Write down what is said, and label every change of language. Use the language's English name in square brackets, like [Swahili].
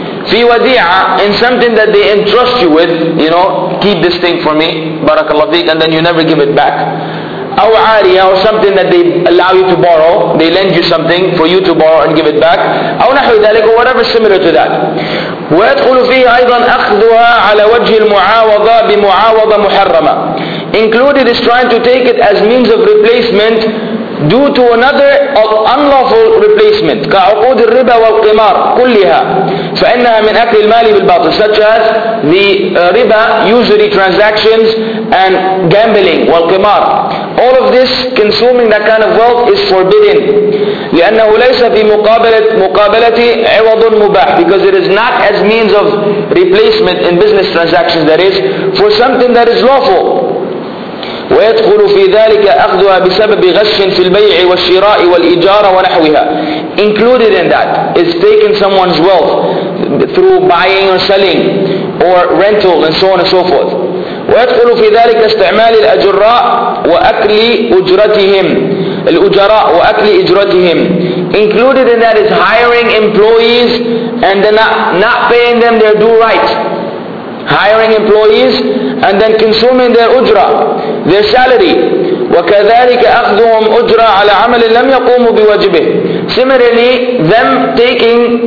[Arabic] في وديعة [English] in something that they entrust you with, you know, keep this thing for me, barakallahu fiqh, and then you never give it back. [Arabic] أو عارية [English] or something that they allow you to borrow, they lend you something for you to borrow and give it back. [Arabic] أو نحو ذلك [English] or whatever similar to that. [Arabic] ويدخل فيه أيضا أخذها على وجه المعاوضة بمعاوضة محرمة. [English] Included is trying to take it as means of replacement due to another unlawful replacement, [Arabic] كعقود الربا والقمار كلها فإنها من أكل المال بالباطل, [English] such as the riba, usury transactions, and gambling, والقمار. All of this, consuming that kind of wealth, is forbidden. [Arabic] لأنه ليس في مقابلة عوض مباح, [English] because it is not as means of replacement in business transactions, that is, for something that is lawful. [Arabic] ويدخل في ذلك أخذها بسبب غش في البيع والشراء والإيجار ونحوها. [English] Included in that is taking someone's wealth through buying or selling or rental and so on and so forth. [Arabic] ويدخل في ذلك استعمال الأجراء وأكل أجرتهم الأجراء وأكل أجرتهم. [English] Included in that is hiring employees and then not paying them their due right. Hiring employees and then consuming their ujra, their salary. [Arabic] وكذلك أخذهم أجرة على عمل لم يقوموا بواجبه. [English] Similarly, them taking